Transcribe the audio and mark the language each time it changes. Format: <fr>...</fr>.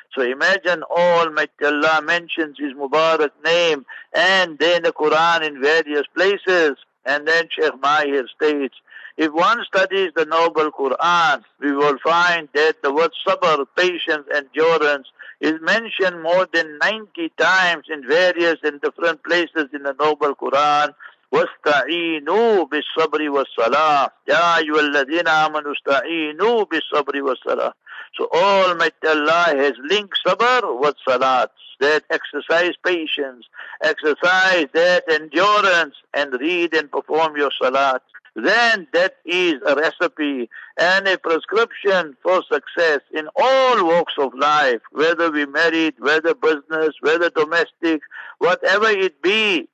<en>So imagine Almighty Allah mentions his Mubarak name, and then the Quran in various places. And then Sheikh Mahir states, if one studies the Noble Quran, we will find that the word sabr, patience, endurance, is mentioned more than 90 times in various and different places in the Noble Quran.</en> <ar>واستعينوا بالصبر والصلاة. يا أيها الذين آمنوا استعينوا بالصبر والصلاة.</ar> <en>So Almighty Allah has linked sabr with salat. That exercise patience, exercise that endurance, and read and perform your salat. Then that is a recipe and a prescription for success in all walks of life, whether we married, whether business, whether domestic, whatever it be.</en>